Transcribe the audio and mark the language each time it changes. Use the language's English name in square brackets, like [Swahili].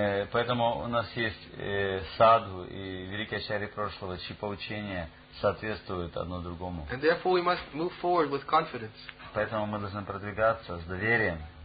[Russian] Поэтому у нас есть садху и великие ачарьи прошлого, чьи поучения соответствуют одно другому. [English] And therefore we must move forward with confidence. [Russian] Поэтому мы должны продвигаться с доверием.